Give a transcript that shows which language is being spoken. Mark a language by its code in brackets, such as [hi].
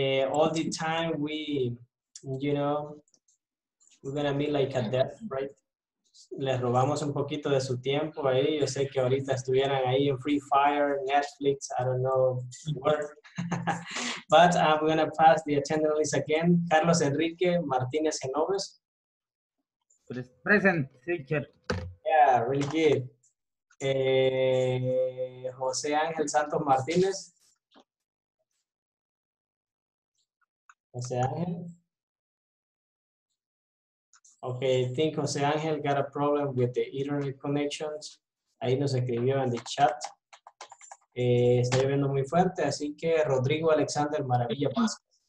[en] All the time we, you know, we're gonna meet like a death, right? [es] Les robamos un poquito de su tiempo ahí. Yo sé que ahorita estuvieran ahí en Free Fire, Netflix, [en] I don't know where. But I'm going to pass the attendance list again. Carlos Enrique Martínez Genoves. Present, teacher. Yeah, really good. José Ángel Santos Martínez. José Ángel. Okay, I think Jose Angel got a problem with the internet connections. [es] Ahí nos escribió en el chat. Está lloviendo muy fuerte, así que Rodrigo Alexander Maravilla Vázquez.